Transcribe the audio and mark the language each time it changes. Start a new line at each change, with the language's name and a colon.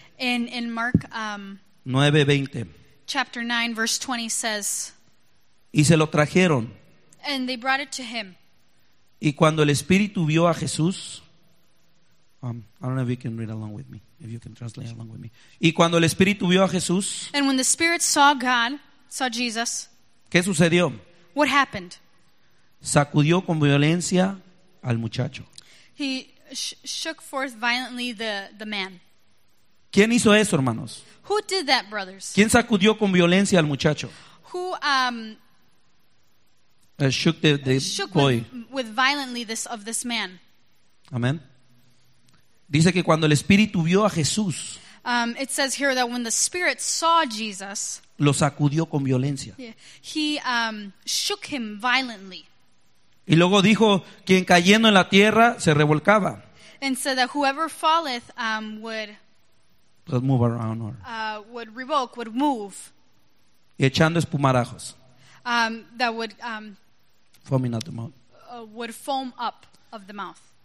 English: In Mark 9:20. Chapter 9, verse 20 says.
Spanish: Y se lo trajeron.
English: And they brought it to him.
Spanish: Y cuando el Espíritu vio a Jesús.
English: I don't know if you can read along with me, if you can translate along with me.
Spanish: Y cuando el Espíritu vio a Jesús,
English: and when the Spirit saw God, saw Jesus,
Spanish: ¿qué sucedió?
English: What happened?
Spanish: Sacudió con violencia al muchacho.
English: He shook forth violently the man.
Spanish: ¿Quién hizo eso, hermanos?
English: Who did that, brothers?
Spanish: ¿Quién sacudió con violencia al muchacho?
English: Who shook the shook boy with violently this of this man? Amen.
Spanish: Dice que cuando el Espíritu vio a Jesús,
English: it says here that when the Spirit saw Jesus,
Spanish: lo sacudió con violencia.
English: He shook him violently.
Spanish: Y luego dijo, quien cayendo en la tierra se revolcaba.
English: And said that whoever falleth would move around or would revoke, would move.
Spanish: Y echando espumarajos.
English: That would foaming out the mouth. Would foam up of the mouth.